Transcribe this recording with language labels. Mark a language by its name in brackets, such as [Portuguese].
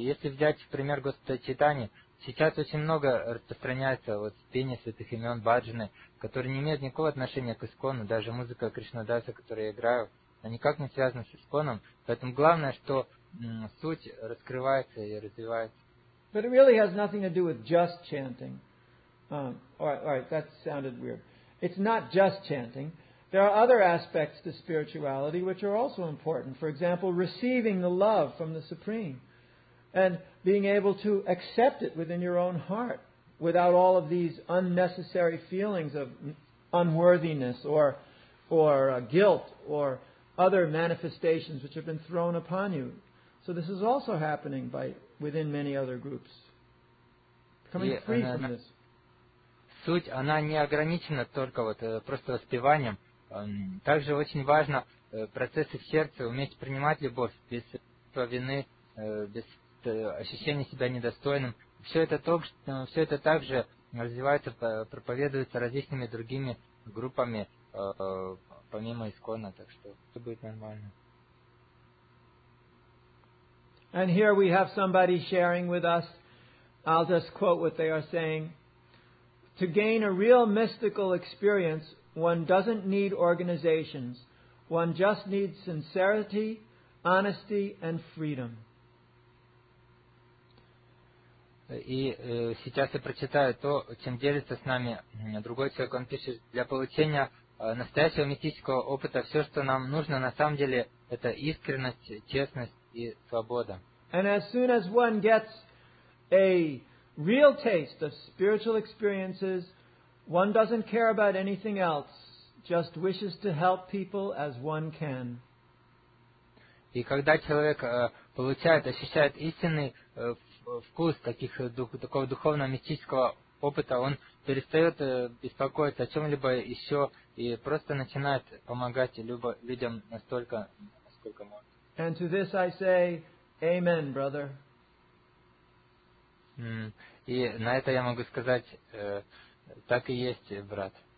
[Russian] Если взять пример Господа Чайтаньи, сейчас очень много распространяется вот пение святых имен, баджаны, которые не имеют никакого отношения к искону. Даже музыка Кришнадаса, которую я играю, она никак не связана с исконом. Поэтому главное, что суть раскрывается и развивается. [English] But it really has nothing to do with just chanting. All right, that sounded weird. It's not just chanting. There are other aspects to spirituality which are also important. For example, receiving the love from the Supreme and being able to accept it within your own heart without all of these unnecessary feelings of unworthiness or guilt or other manifestations which have been thrown upon you. So this is also happening within many other groups. Becoming free from this. [Russian] Суть, она не ограничена только вот просто воспеванием. Также очень важно процессы в сердце, уметь принимать любовь без вины, без ощущения себя недостойным. Все это также развивается, проповедуется различными другими группами, помимо искона, так что все будет нормально. [English] And here we have somebody sharing with us. I'll just quote what they are saying. To gain a real mystical experience, one doesn't need organizations. One just needs sincerity, honesty, and freedom. [Russian] И сейчас я прочитаю то, чем делится с нами другой человек. Он пишет, для получения настоящего мистического опыта все, что нам нужно на самом деле, это искренность, честность и свобода. [English] And as soon as one gets a real taste of spiritual experiences, one doesn't care about anything else, just wishes to help people as one can. [Russian] И когда человек получает, ощущает истинный вкус такого духовного мистического опыта, он перестает беспокоиться о чем-либо еще и просто начинает помогать людям настолько, насколько может. [English] And to this I say, Amen, brother. [Russian] И на это я могу сказать, так и есть, брат.